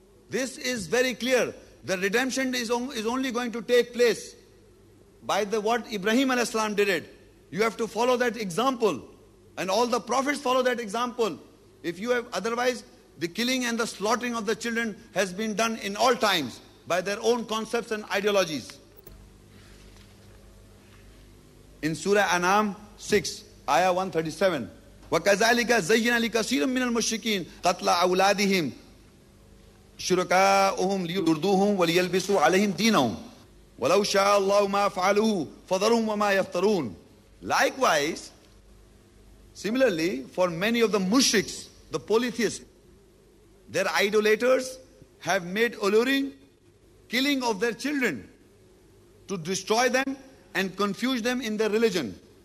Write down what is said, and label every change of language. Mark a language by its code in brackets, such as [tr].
[en] This is very clear. The redemption is only going to take place by the what Ibrahim alayhi salam did it. You have to follow that example. And all the prophets follow that example. If you have, otherwise, the killing and the slaughtering of the children has been done in all times by their own concepts and ideologies. In Surah An'am 6, Ayah 137, [ar] وَكَذَلِكَ زَيِّنَ لِكَثِيرٌ مِّنَ الْمُشْرِكِينَ قَتْلَ أَوْلَادِهِمْ شركاؤهم ليردوهم وليلبسوا عليهم دينهم ولو شاء الله ما فعلوه فذرهم وما يفترون. [en] Likewise, similarly, for many of the mushriks, the polytheists, their idolaters have made alluring killing of their children to destroy them and confuse them in their religion.